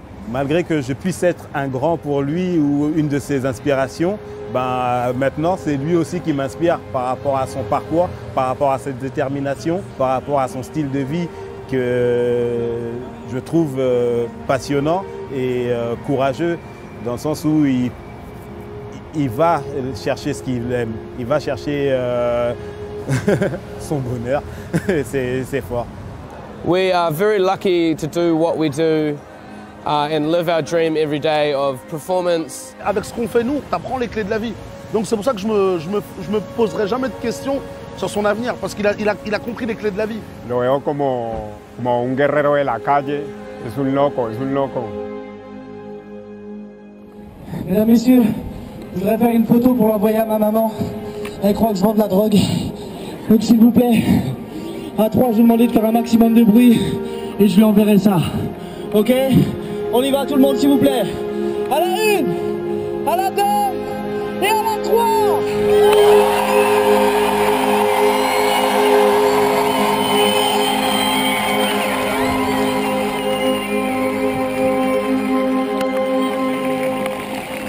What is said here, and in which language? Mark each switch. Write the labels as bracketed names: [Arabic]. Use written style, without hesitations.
[French] Malgré que je puisse être un grand pour lui ou une de ses inspirations, ben maintenant c'est lui aussi qui m'inspire par rapport à son parcours, par rapport à cette détermination, par rapport à son style de vie que je trouve passionnant et courageux dans le sens où il va chercher ce qu'il aime, il va chercher son bonheur, c'est fort. [English] We are very lucky to do what we do and live our dream every day of performance. [French] Avec ce qu'on fait nous, t'apprends les clés de la vie. Donc c'est pour ça que je me poserai jamais de questions sur son avenir parce qu'il a compris les clés de la vie. [Spanish] Lo veo como un guerrero de la calle. Es un loco. [French] Mesdames, messieurs, je voudrais faire une photo pour l'envoyer à ma maman. Elle croit que je vends de la drogue. Donc s'il vous plaît, à trois, je vais demander de faire un maximum de bruit et je lui enverrai ça. Ok? On y va tout le monde s'il vous plaît. À la une, à la deux et à la trois.